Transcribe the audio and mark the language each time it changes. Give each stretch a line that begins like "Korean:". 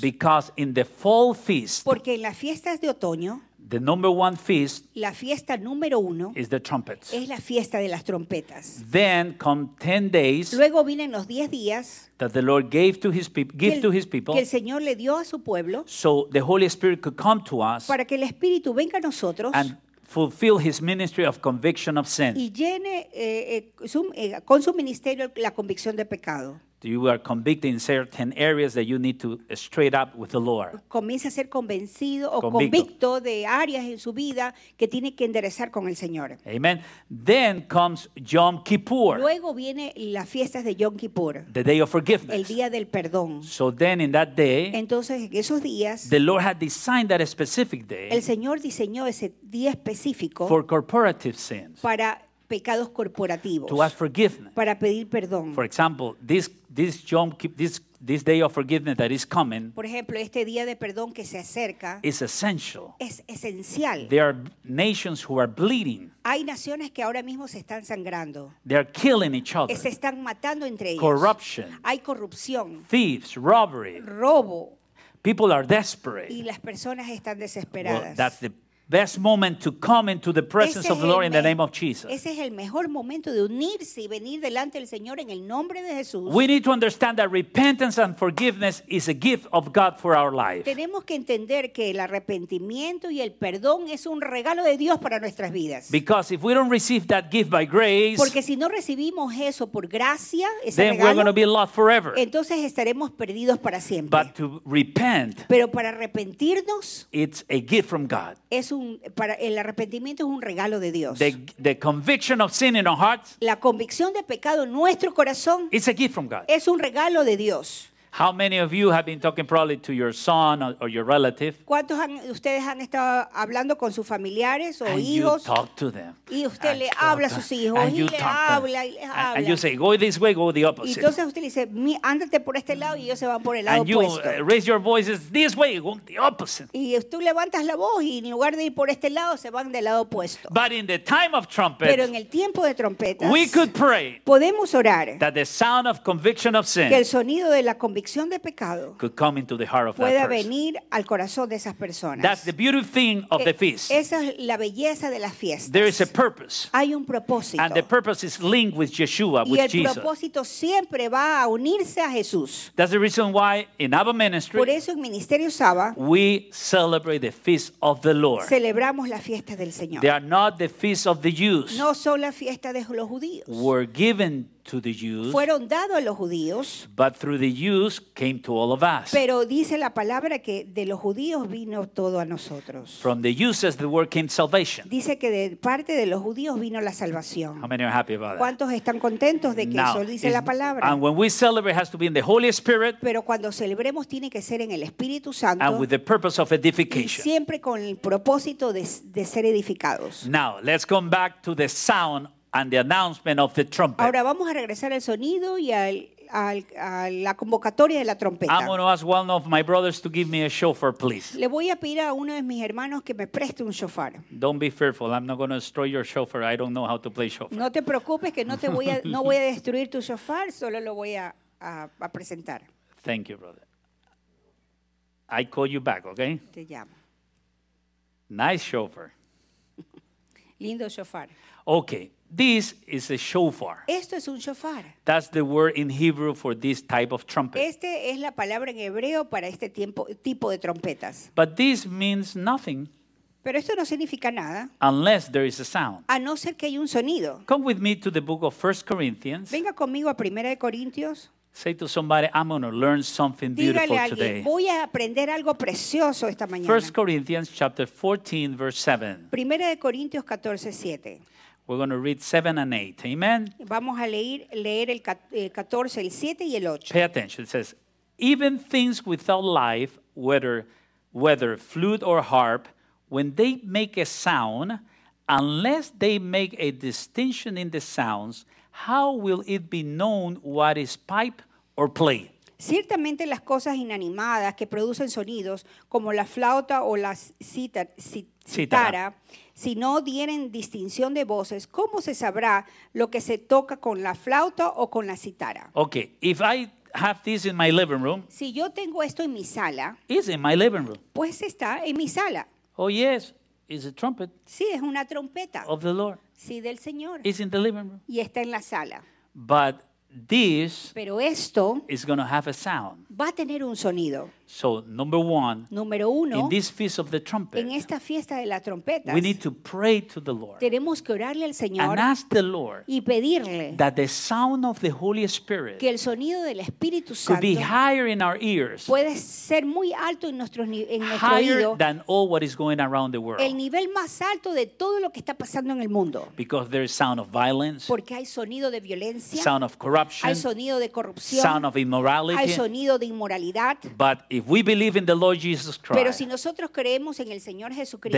English: Because in the fall feast.
Spanish: Porque en las fiestas de otoño.
English: The number one feast.
Spanish: La fiesta número uno.
English: Is the trumpets.
Spanish: Es la fiesta de las trompetas.
English: Then come 10 days.
Spanish: Luego vienen los 10 días.
English: That the Lord gave to His people. Give to His people.
Spanish: Que el Señor le dio a su pueblo.
English: So the Holy Spirit could come to us.
Spanish: Para que el Espíritu venga a nosotros.
English: And fulfill His ministry of conviction of sin.
Spanish: Y llene con su ministerio la convicción de pecado.
English: You are convicted in certain areas that you need to straight up with the Lord.
Spanish: Comienza a ser convencido o convicto de áreas en su vida que tiene que enderezar con el Señor.
English: Amen. Then comes Yom Kippur.
Spanish: Luego viene las fiestas de Yom Kippur.
English: The day of forgiveness.
Spanish: El día del perdón.
English: So then in that day.
Spanish: Entonces en esos días.
English: The Lord had designed that specific day.
Spanish: El Señor diseñó ese día específico.
English: For corporative sins.
Spanish: Para pecados corporativos.
English: To ask forgiveness.
Spanish: Para pedir perdón.
English: For example, this day of forgiveness that is coming.
Spanish: Por ejemplo, este día de perdón que se acerca.
English: Is essential.
Spanish: Es esencial.
English: There are nations who are bleeding.
Spanish: Hay naciones que ahora mismo se están sangrando.
English: They are killing each other.
Spanish: Se están matando entre ellos.
English: Corruption.
Spanish: Hay corrupción.
English: Thieves, robbery.
Spanish: Robo.
English: People are desperate.
Spanish: Y las personas están desesperadas.
English: Well, that's the best moment to come into the presence of the Lord in the name of Jesus.
Spanish: Ese es el mejor momento de unirse y venir delante del Señor en el nombre de Jesús.
English: We need to understand that repentance and forgiveness is a gift of God for our life.
Spanish: Tenemos que entender que el arrepentimiento y el perdón es un regalo de Dios para nuestras vidas.
English: Because if we don't receive that gift by grace,
Spanish: porque si no recibimos eso por gracia, ese
English: then
Spanish: regalo,
English: we're going to be lost forever.
Spanish: Entonces estaremos perdidos para siempre.
English: But to repent,
Spanish: pero para arrepentirnos,
English: it's a gift from God.
Spanish: El arrepentimiento es un regalo de Dios.
English: The conviction of sin in our hearts.
Spanish: La convicción de pecado en nuestro corazón.
English: It's a gift from God.
Spanish: Es un regalo de Dios.
English: How many of you have been talking probably to your son or your relative?
Spanish: ¿Cuántos ustedes han estado hablando con sus familiares o
English: and
Spanish: hijos?
English: You talk to them.
Spanish: Y usted le habla a sus hijos y le habla y les habla.
English: And you say, go this way, go the opposite.
Spanish: Y entonces usted le dice, ándate por este lado y ellos se van por el lado
English: and
Spanish: opuesto.
English: And you raise your voices this way, go the opposite.
Spanish: Y tú levantas la voz y en lugar de ir por este lado se van del lado opuesto.
English: But in the time of trumpets,
Spanish: pero en el tiempo de trompetas,
English: we could pray,
Spanish: podemos orar,
English: that the sound of conviction of sin,
Spanish: que el sonido de la convicción de pecado
English: could come into the heart of
Spanish: pueda
English: that person.
Spanish: Venir al corazón de esas personas.
English: That's the beauty thing of the feast.
Spanish: Esa es la belleza de las fiestas.
English: There is a purpose.
Spanish: Hay un propósito.
English: And the purpose is linked with Yeshua,
Spanish: y
English: with
Spanish: el
English: Jesus.
Spanish: Propósito siempre va a unirse a Jesús.
English: That's the reason why in Abba ministry,
Spanish: por eso en Ministerio Saba,
English: we celebrate the feast of the Lord.
Spanish: Celebramos la fiesta del Señor.
English: They are not the feast of the Jews.
Spanish: No son la fiesta de los judíos.
English: We're given to the Jews,
Spanish: fueron dados a los judíos,
English: but through the Jews came to all of us.
Spanish: Pero dice la palabra que de los judíos vino todo a nosotros.
English: From the Jews, as the word came salvation.
Spanish: Dice que de parte de los judíos vino la salvación.
English: How many are happy about that?
Spanish: ¿Cuántos están contentos de que
English: now,
Spanish: eso dice la palabra?
English: And when we celebrate, it has to be in the Holy Spirit.
Spanish: Pero cuando celebremos tiene que ser en el Espíritu Santo.
English: And with the purpose of edification.
Spanish: Y siempre con el propósito de ser edificados.
English: Now let's come back to the sound. And the announcement of the trumpet.
Spanish: Ahora vamos a regresar al sonido y a la convocatoria de la trompeta.
English: I'm going to ask one of my brothers to give me a shofar, please.
Spanish: Le voy a pedir a uno de mis hermanos que me preste un shofar.
English: Don't be fearful. I'm not going to destroy your shofar. I don't know how to play shofar.
Spanish: No te preocupes que no voy a destruir tu shofar. Solo lo voy a presentar.
English: Thank you, brother. I call you back, okay?
Spanish: Te llamo.
English: Nice shofar.
Spanish: Lindo shofar.
English: Okay. This is a shofar.
Spanish: Esto es un shofar.
English: That's the word in Hebrew for this type of trumpet.
Spanish: Este es la palabra en hebreo para este tiempo, tipo de trompetas.
English: But this means nothing.
Spanish: Pero esto no significa nada.
English: Unless there is a sound.
Spanish: A no ser que haya un sonido.
English: Come with me to the book of 1 Corinthians.
Spanish: Venga conmigo a Primera de Corintios.
English: Say to somebody, I'm going to learn something beautiful
Spanish: Dígale a alguien,
English: today.
Spanish: Voy a aprender algo precioso esta mañana.
English: 1 Corinthians chapter 14, verse 7.
Spanish: Primera de Corintios 14, 7.
English: We're going to read 7 and 8. Amen.
Spanish: Vamos a leer el 14, el 7 y el 8.
English: Pay attention. It says, even things without life, whether flute or harp, when they make a sound, unless they make a distinction in the sounds, how will it be known what is pipe or play?
Spanish: Ciertamente las cosas inanimadas que producen sonidos, como la flauta o la cítara, si no tienen distinción de voces, ¿cómo se sabrá lo que se toca con la flauta o con la cítara?
English: Okay, if I have this in my living room.
Spanish: Si yo tengo esto en mi sala.
English: It's in my living room.
Spanish: Pues está en mi sala.
English: Oh yes, it's a trumpet.
Spanish: Sí, es una trompeta.
English: Of the Lord.
Spanish: Sí, del Señor.
English: It's in the living room.
Spanish: Y está en la sala.
English: But this.
Spanish: Pero esto.
English: Is going to have a sound.
Spanish: Va a tener un sonido.
English: So number one.
Spanish: Número uno.
English: In this feast of the trumpet.
Spanish: En esta fiesta de la trompeta.
English: We need to pray to the Lord.
Spanish: Tenemos que orarle al Señor.
English: And ask the Lord.
Spanish: Y pedirle.
English: That the sound of the Holy Spirit.
Spanish: Que el sonido del Espíritu Santo.
English: Could be higher in our ears.
Spanish: Puede ser muy alto en nuestros en nuestro
English: higher
Spanish: oído.
English: Higher than all what is going around the world.
Spanish: El nivel más alto de todo lo que está pasando en el mundo.
English: Because there is sound of violence.
Spanish: Porque hay sonido de violencia.
English: Sound of corruption.
Spanish: Hay sonido de corrupción.
English: Sound of immorality.
Spanish: Hay sonido de inmoralidad.
English: But if we believe in the Lord Jesus Christ,
Spanish: pero si nosotros creemos en el Señor Jesucristo,